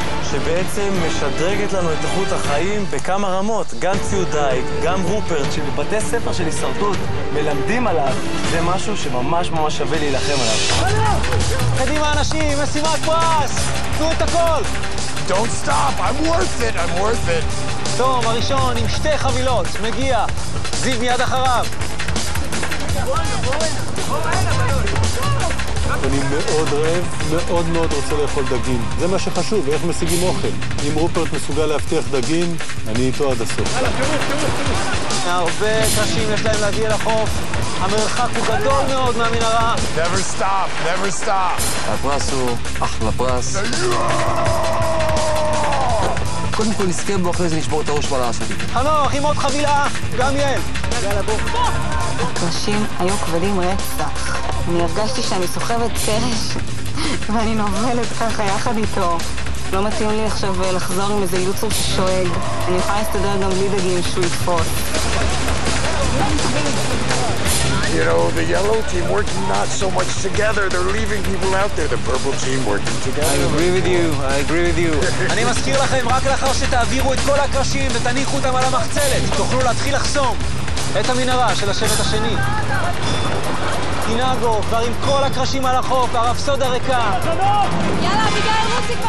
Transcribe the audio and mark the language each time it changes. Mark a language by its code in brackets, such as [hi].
[he] שבעצם משדרגת לנו את איכות החיים בכמה רמות, גם ציוד דייג, גם רופרט, שבבתי ספר של הישרדות מלמדים עליו, זה משהו שממש ממש שווה להילחם עליו. קדימה אנשים, משימה פרס, תנו את הכל! [en] Don't stop, I'm worth it, I'm worth it. [he] תום, הראשון עם שתי חבילות, מגיע, זיו מיד אחריו. אני מאוד רעב, מאוד מאוד רוצה לאכול דגים. זה מה שחשוב, איך משיגים אוכל. אם רופרט מסוגל להבטיח דגים, אני איתו עד הסוף. הרבה קשים יש להם להגיע לחוף. המרחק הוא גדול מאוד מהמנהרה. [en] Never stop, never stop. [he] הפרס הוא אחלה פרס. קודם כל נזכה בו, אחרי זה נשבור את הראש בלעה שלי. חנוך, עם עוד חבילה, גם יעל. יאללה, בואו. הקרשים היו כבדים רצח. אני הרגשתי שאני סוחבת קרש, ואני נובלת ככה יחד איתו. לא מתאים לי עכשיו לחזור עם איזה יוצר ששואג. אני יכולה להסתדר גם בלי דגים שהוא יפות. [en] You know, the yellow team working not so much together. They're leaving people out there. The purple team working together. I agree with you. I agree with you. [he] אני מזכיר לכם, רק לאחר שתעבירו את כל הקרשים ותניחו אותם על המחצלת, תוכלו להתחיל לחסום את המנהרה של השבט השני. תינגו, כבר עם כל הקרשים על החוף, הרפסודה ריקה. יאללה, אביגייל, רוצי כבר.